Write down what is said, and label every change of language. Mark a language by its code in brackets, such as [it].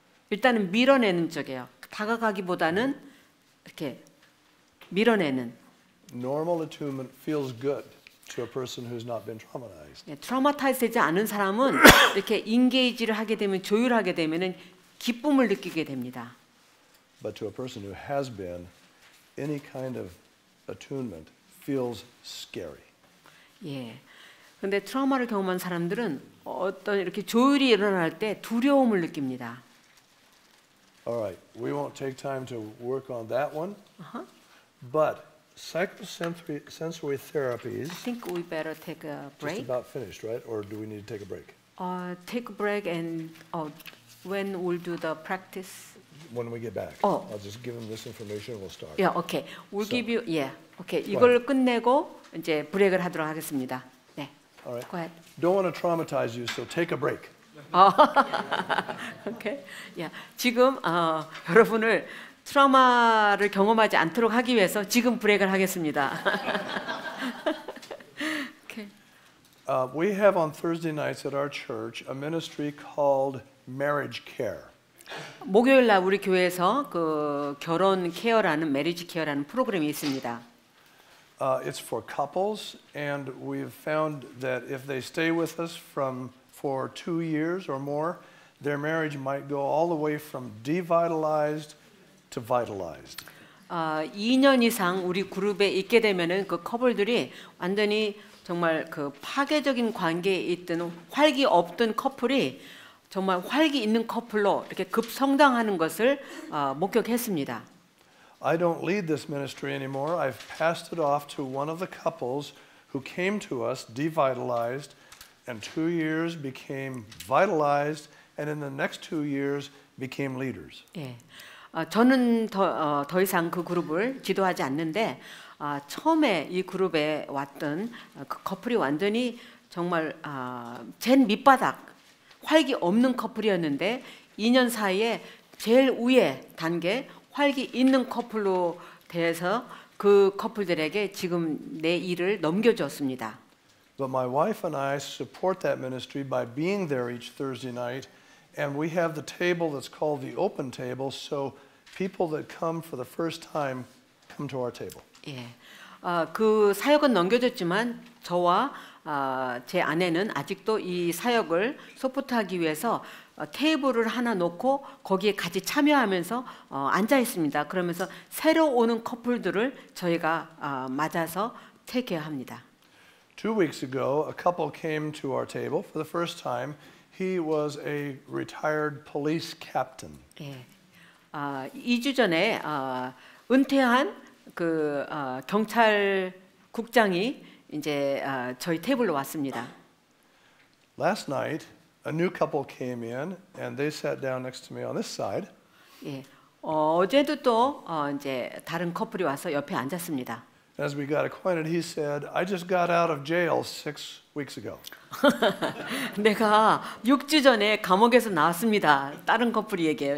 [ko] 일단은 밀어내는 쪽이에요. 다가가기보다는 이렇게 밀어내는. [en] Normal attunement feels good to a person who's not been traumatized. [ko] 예, 트라우마타이즈 되지 않은 사람은 이렇게 인게이지를 하게 되면 조율하게 되면은 기쁨을 느끼게 됩니다. [en] But to a person who has been, any kind of attunement feels scary. [ko] 예. 근데 트라우마를 경험한 사람들은 어떤 이렇게 조율이 일어날 때 두려움을 느낍니다. [en] All right. We won't take time to work on that one. But psychosensory therapies. I think we better take a break. Just about finished, right? Or do we need to take a break? Take a break and when we'll do the practice. When we get back. I'll just give them this information and we'll start. Yeah, okay. We'll give you okay. [ko] 이걸 끝내고 이제 브레이크를 하도록 하겠습니다. [en] All right. Go ahead. Don't want to traumatize you, so take a break. okay. Yeah. [ko] 지금 여러분을 트라우마를 경험하지 않도록 하기 위해서 지금 브레이크를 하겠습니다. [en] okay. We have on Thursday nights at our church a ministry called Marriage Care. [ko] 목요일 날 우리 교회에서 그 결혼 케어라는 Marriage Care라는 프로그램이 있습니다. [en] It's for couples, and we've found that if they stay with us for 2 years or more, their marriage might go all the way from devitalized to vitalized. [ko] 2년 이상 우리 그룹에 있게 되면은 그 커플들이 완전히 정말 그 파괴적인 관계에 있던 활기 없던 커플이 정말 활기 있는 커플로 이렇게 급성장하는 것을 목격했습니다. [en] I don't lead this ministry anymore. I've passed it off to one of the couples who came to us devitalized and 2 years became vitalized and in the next 2 years became leaders. [ko] 예. 저는 더 이상 그 그룹을 지도하지 않는데 처음에 이 그룹에 왔던 그 커플이 완전히 정말 젠 밑바닥 활기 없는 커플이었는데 2년 사이에 제일 위에 단계 활기 있는 커플로 대해서 그 커플들에게 지금 내 일을 넘겨줬습니다. [en] But my wife and I support that ministry by being there each Thursday night, and we have the table that's called the open table, so people that come for the first time come to our table. [ko] 예, 그 사역은 넘겨졌지만 저와 제 아내는 아직도 이 사역을 소프트하기 위해서. 테이블을 하나 놓고 거기에 같이 참여하면서 앉아 있습니다. 그러면서 새로 오는 커플들을 저희가 맞아서 체크합니다. [en] 2 weeks ago, a couple came to our table for the first time. He was a retired police captain. [ko] 예, 2주 전에 은퇴한 그 경찰국장이 이제 저희 테이블로 왔습니다. [en] Last night. A new couple came in, and they sat down next to me on this side. [ko] 예, 어제도 또 이제 다른 커플이 와서 옆에 앉았습니다. [en] As we got acquainted, he said, "I just got out of jail 6 weeks ago." [ko] 내가 6주 전에 감옥에서 나왔습니다. 다른 커플이 얘기해요.